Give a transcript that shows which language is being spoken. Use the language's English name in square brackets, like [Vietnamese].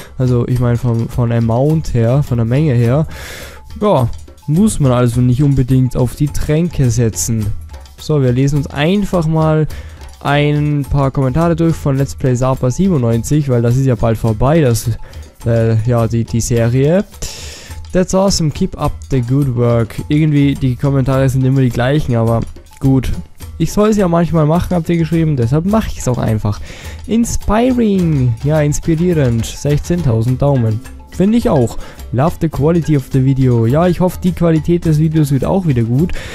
[German] Also ich meine von Amount her, von der Menge her, ja, muss man also nicht unbedingt auf die Tränke setzen. So, wir lesen uns einfach mal ein paar Kommentare durch von Let's Play Sapa 97, weil das ist ja bald vorbei, das die Serie. [English] That's awesome, keep up the good work. [German] Irgendwie, die Kommentare sind immer die gleichen, aber... Gut, ich soll es ja manchmal machen, habt ihr geschrieben, deshalb mache ich es auch einfach. Inspiring, ja, inspirierend, 16.000 Daumen, finde ich auch. [English] Love the quality of the video, [German] ja, ich hoffe, die Qualität des Videos wird auch wieder gut.